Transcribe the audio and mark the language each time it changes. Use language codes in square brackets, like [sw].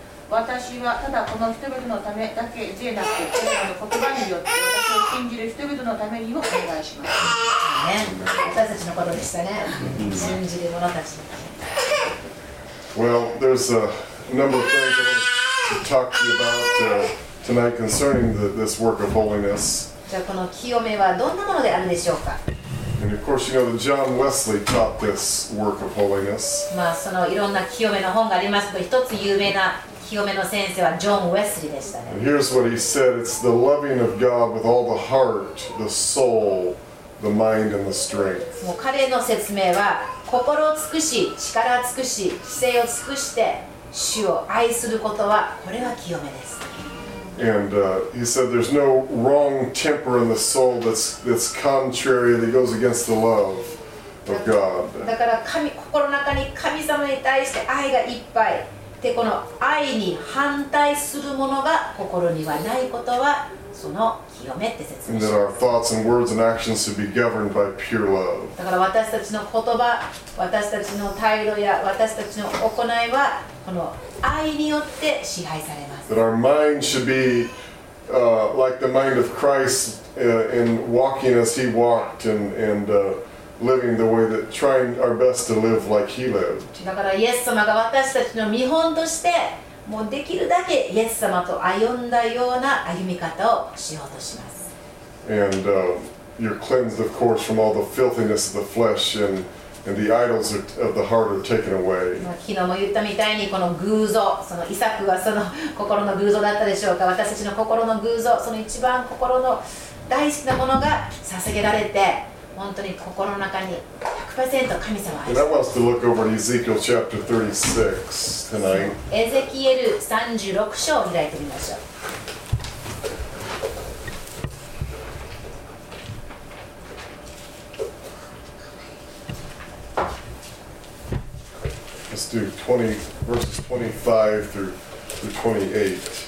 [ja] 私はただこの人々のためだけでなく、彼らの言葉によって私を信じる人々のためにもお願いします。ね、私たちのことでしたね。信じる者たちのため。 [en] Well, there's a number of things I want to talk to you about tonight concerning this work of holiness. [ja] じゃあこの清めはどんなものであるでしょうか。 [en] And of course, you know that John Wesley taught this work of holiness. [ja] まあそのいろんな清めの本がありますけど、一つ有名な清めの先生はジョン・ウェスリーでしたね。 [en] And here's what he said: It's the loving of God with all the heart, the soul, the mind, and the strength. [ja] もう彼の説明は心を尽くし、力を尽くし、姿勢を尽くして主を愛することはこれは清めです。 [en] And he said there's no wrong temper in the soul that's contrary, that goes against the love of God. [ja] だから神、心の中に神様に対して愛がいっぱいで、この愛に反対するものが心にはないことはその清めって説明します。 [en] That our thoughts and words and actions should be governed by pure love. [ja] だから私たちの言葉、私たちの態度や私たちの行いはこの愛によって支配されます。 [en] That our mind should be like the mind of Christ in walking as he walked and living the way that trying our best to live like he lived. [ja] だからイエス様が私たちの見本としてもうできるだけイエス様と歩んだような歩み方をしようとします。 [en] And you're cleansed of course from all the filthiness of the flesh and the idols of the heart are taken away. [ja] 昨日も言ったみたいにこの偶像、そのイサクはその心の偶像だったでしょうか。私たちの心の偶像、その一番心の大好きなものが捧げられて、本当に心の中に 100% 神様愛して。 [en] And I want us to look over Ezekiel chapter 36 tonight. [ja] エゼキエル36章を開いてみましょう。 [en] Let's do 20, verses 25 through 28.